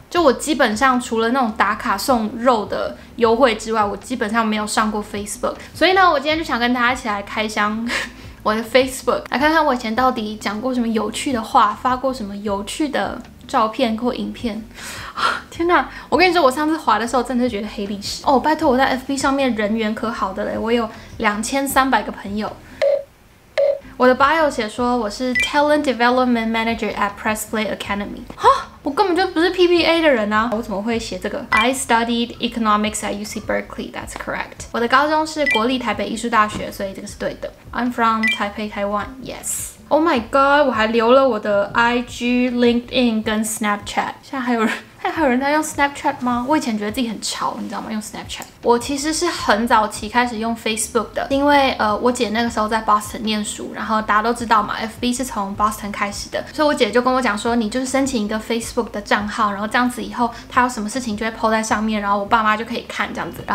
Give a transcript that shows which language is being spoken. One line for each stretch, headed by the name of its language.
Chinese: 就我基本上除了那种打卡送肉的优惠之外，我基本上没有上过 Facebook， 所以呢，我今天就想跟大家一起来开箱我的 Facebook， 来看看我以前到底讲过什么有趣的话，发过什么有趣的照片或影片。天哪，我跟你说，我上次滑的时候真的是觉得黑历史哦。拜托，我在 FB 上面人缘可好的嘞，我有2300个朋友。我的 bio 写说我是 Talent Development Manager at Press Play Academy。我根本就不是 PPA 的人啊，我怎么会写这个？
English: I studied economics at UC Berkeley, that's correct.
Chinese: 我的高中是国立台北艺术大学，所以这个是对的。
English: I'm from Taipei, Taiwan, yes. Oh my god,
Chinese: 我还留了我的 IG, LinkedIn 跟 Snapchat。现在还有人在用 Snapchat 吗？我以前觉得自己很潮，你知道吗？用 Snapchat。我其实是很早期开始用 Facebook 的，因为我姐那个时候在 Boston 念书，然后大家都知道嘛， FB 是从 Boston 开始的，所以我姐就跟我讲说，你就是申请一个 Facebook 的账号，然后这样子以后她有什么事情就会 po 在上面，然后我爸妈就可以看这样子。